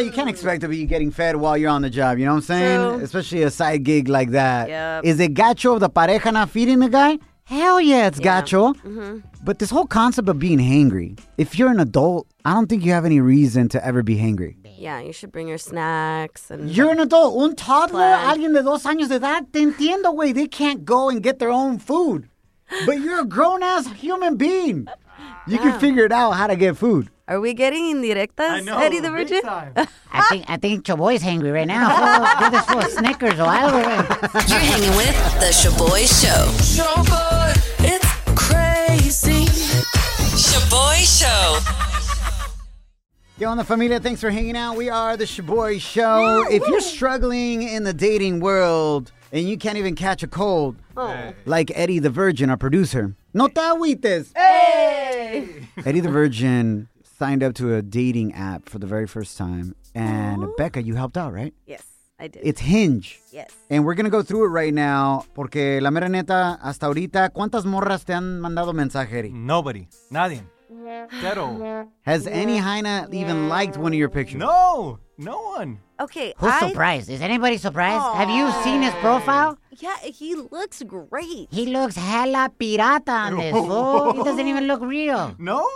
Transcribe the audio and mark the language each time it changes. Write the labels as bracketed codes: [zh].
[en] You can't expect to be getting fed while you're on the job. You know what I'm saying? True. Especially a side gig like that. Yep. Is it [es] gacho [en] of the [es] pareja [en] not feeding the guy? Hell yeah, it's [es] gacho. [en] Mm-hmm. But this whole concept of being hangry, if you're an adult, I don't think you have any reason to ever be hangry. Yeah, you should bring your snacks. And you're an adult. [es] Un toddler, alguien de dos años de edad, te entiendo, güey. [en] They can't go and get their own food. But you're a grown-ass human being. You can figure it out how to get food. Are we getting [es] indirectas, [en] I know, Eddie the Virgin? I think Shaboy's hangry right now. Get this full of Snickers or whatever. You're hanging with the Shaboy Show. Shaboy, it's crazy. Shaboy Show. Yo, and the [es] familia, [en] thanks for hanging out. We are the Shaboy Show. Yeah, if you're struggling in the dating world and you can't even catch a cold, like Eddie the Virgin, our producer, [es] no te agüites. [en] Hey! Eddie the Virgin signed up to a dating app for the very first time. And Becca, you helped out, right? Yes, I did. It's Hinge. Yes. And we're going to go through it right now. [es] Porque la mera neta, hasta ahorita, ¿cuántas morras te han mandado mensaje, Eddie? [en] Nobody. [es] Nadie. [en] Zero. Has any Haina even liked one of your pictures? No. No one. Okay. Who's surprised? Is anybody surprised? Aww. Have you seen his profile? Yeah, he looks great. He looks hella [es] pirata [en] on this. Oh, he doesn't even look real. No?